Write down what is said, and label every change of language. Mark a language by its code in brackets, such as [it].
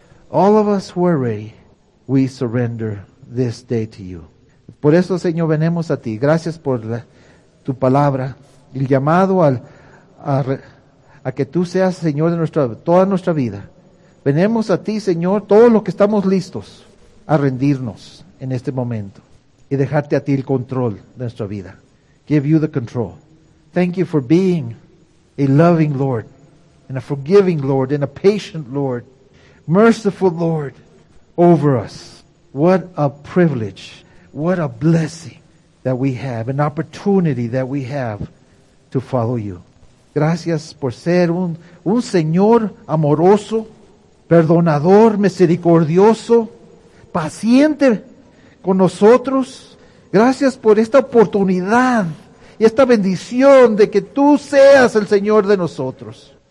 [en] All of us who are ready, we surrender this day to you. [es] Por eso, Señor, venimos a ti. Gracias por tu palabra. El llamado a que tú seas Señor de toda nuestra vida. Venimos a ti, Señor, todos los que estamos listos a rendirnos en este momento y dejarte a ti el control de nuestra vida. [en] Give you the control. Thank you for being a loving Lord and a forgiving Lord and a patient Lord, merciful Lord over us. What a privilege. What a blessing that we have, an opportunity that we have to follow you. [es] Gracias por ser un Señor amoroso, perdonador, misericordioso, paciente con nosotros. Gracias por esta oportunidad y esta bendición de que tú seas el Señor de nosotros.